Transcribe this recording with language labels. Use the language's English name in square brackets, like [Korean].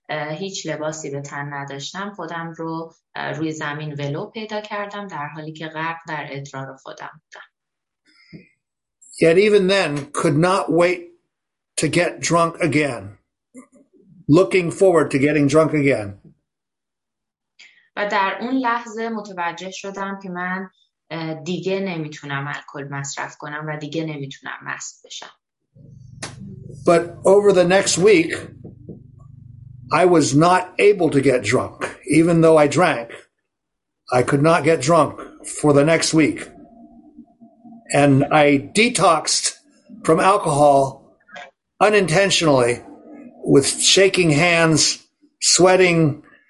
[Persian] هیچ لباسی به تن نداشتم خودم رو روی زمین ولو پیدا کردم در حالی که غرق در ادرار خودم بودم. [English] Yet even then could not wait to get drunk again. Looking forward to getting drunk again. [Persian] و در اون لحظه متوجه شدم که من دیگه نمیتونم الکل مصرف کنم و دیگه نمیتونم مست بشم. [English] But over the next week, I was not able to get drunk. Even though I drank, I could not get drunk for the next week. And I detoxed from alcohol unintentionally with shaking hands, sweating.